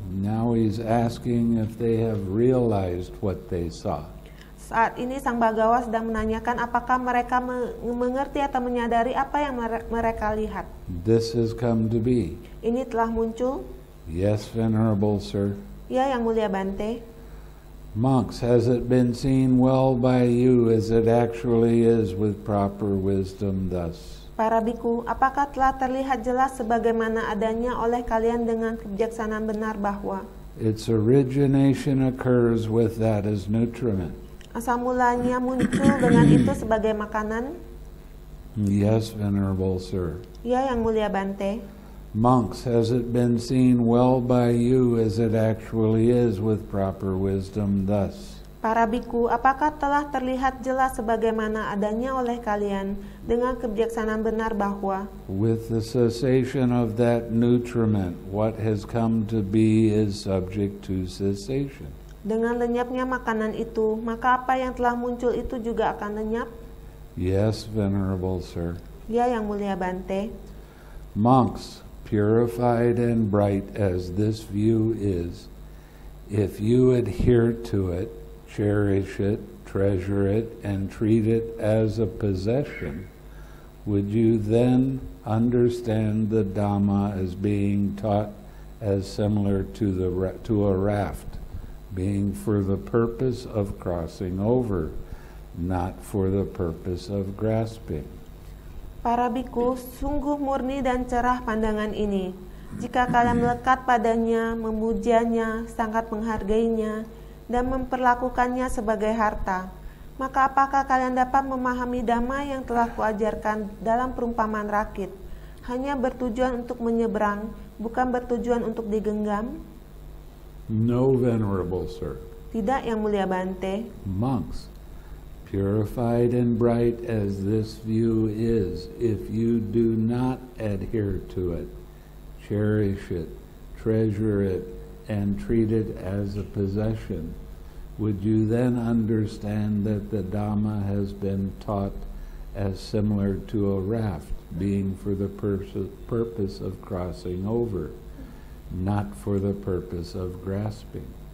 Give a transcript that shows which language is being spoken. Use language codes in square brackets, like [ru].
[en] Now he's asking if they have realized what they saw. [id] Saat ini Sang Bhagava sedang menanyakan apakah mereka mengerti atau menyadari apa yang mereka lihat. [en] This has come to be. [id] Ini telah muncul. [en] Yes, venerable sir. [id] Ya, Yang Mulia Bante. [en] Monks, has it been seen well by you as it actually is with proper wisdom thus? [id] Para bhikkhu, apakah telah terlihat jelas sebagaimana adanya oleh kalian dengan kebijaksanaan benar bahwa? [en] Its origination occurs with that as nutriment. [id] Asal mulanya muncul dengan itu sebagai makanan? [en] Yes, venerable sir. [id] Ya, Yang Mulia Bante. [en] Monks, has it been seen well by you as it actually is with proper wisdom thus? [id] Para bhikkhu, apakah telah terlihat jelas sebagaimana adanya oleh kalian dengan kebijaksanaan benar bahwa? [en] With the cessation of that nutriment, what has come to be is subject to cessation. [id] Dengan lenyapnya makanan itu, maka apa yang telah muncul itu juga akan lenyap? [en] Yes, venerable sir. [id] Ya, Yang Mulia Bante. [en] Monks, purified and bright as this view is, if you adhere to it, cherish it, treasure it, and treat it as a possession, would you then understand the Dhamma as being taught as similar to a raft, being for the purpose of crossing over, not for the purpose of grasping? [id] Para bhikkhu, sungguh murni dan cerah pandangan ini. Jika kalian melekat padanya, memujanya, sangat menghargainya, dan memperlakukannya sebagai harta, maka apakah kalian dapat memahami dhamma yang telah kuajarkan dalam perumpamaan rakit, hanya bertujuan untuk menyeberang, bukan bertujuan untuk digenggam? [en] No, venerable sir. [id] Tidak, Yang Mulia Bante. [en] Monks, purified and bright as this view is, if you do not adhere to it, cherish it, treasure it, and treat it as a possession, would you then understand that the Dhamma has been taught as similar to a raft, being for the purpose of crossing over, not for the purpose of grasping?